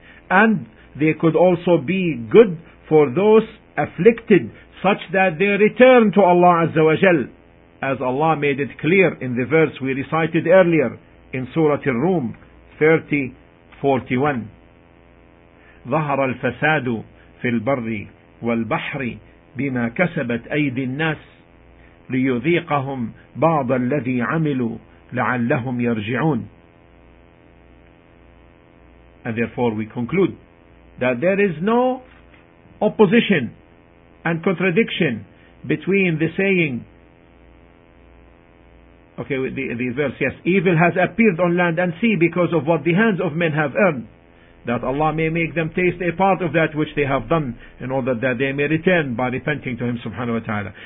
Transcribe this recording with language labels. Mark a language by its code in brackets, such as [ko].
[en] And they could also be good for those afflicted, such that they return to Allah Azza wa Jal, as Allah made it clear in the verse we recited earlier in Surah Ar-Rum 30:41. [ar] ظهر الفساد في البر والبحر بما كسبت أيدي الناس ليذيقهم بعض الذي عملوا لعلهم يرجعون. [en] And therefore we conclude that there is no opposition and contradiction between the saying, okay, the verse, yes, evil has appeared on land and sea because of what the hands of men have earned, that Allah may make them taste a part of that which they have done in order that they may return by repenting to Him subhanahu wa ta'ala.